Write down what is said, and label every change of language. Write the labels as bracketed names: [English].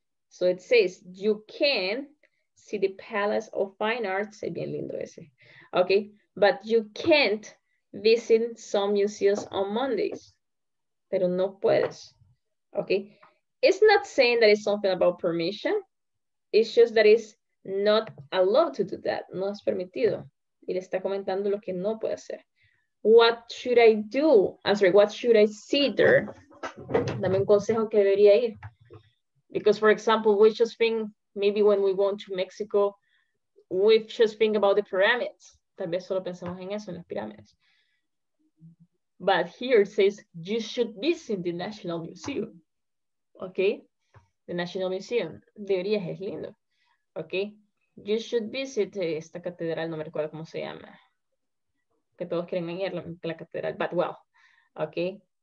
[English] So it says, you can see the Palace of Fine Arts. [Spanish] Es bien lindo ese. [English] Okay, but you can't visit some museums on Mondays. [Spanish] Pero no puedes. [English] Okay, it's not saying that it's something about permission. It's just that it's not allowed to do that. [Spanish] No es permitido. Y le está comentando lo que no puede hacer. [English] What should I do? I'm sorry, what should I see there? [Spanish] Dame un consejo que debería ir. [English] Because, for example, we just think, maybe when we go to Mexico, we just think about the pyramids. [Spanish] Tal vez solo pensamos en eso, en las pirámides. [English] But here it says, you should visit the National Museum. Okay? The National Museum. [Spanish] Deberías, es lindo. [English] Okay? You should visit [Spanish] esta catedral, no me recuerdo cómo se llama. Que todos quieren ir, la catedral. [English] But well, okay?